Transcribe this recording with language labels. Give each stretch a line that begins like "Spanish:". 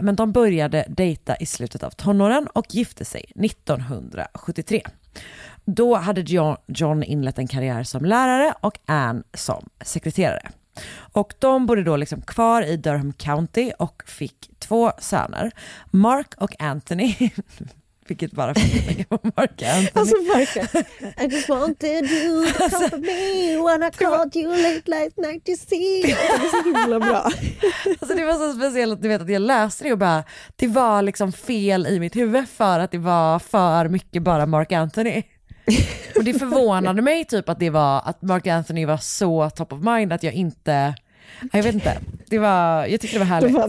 Swedish: Men de började dejta i slutet av tonåren och gifte sig 1973. Då hade John inlett en karriär som lärare och Anne som sekreterare. Och de bodde då liksom kvar i Durham County och fick två söner, Mark och Anthony. Vilket bara fick tänka på Mark och Anthony.
English: Alltså Mark, I just wanted you to come for me when I called you late last night to see.
Swedish: Det var så himla bra. Alltså det var så speciellt att du vet att jag läste det och bara, det var liksom fel i mitt huvud för att det var för mycket bara Mark Anthony. Och det förvånade mig typ att det var att Mark Anthony var så
English: top of mind
Swedish: att jag inte, jag vet inte, det var, jag tyckte det var härligt.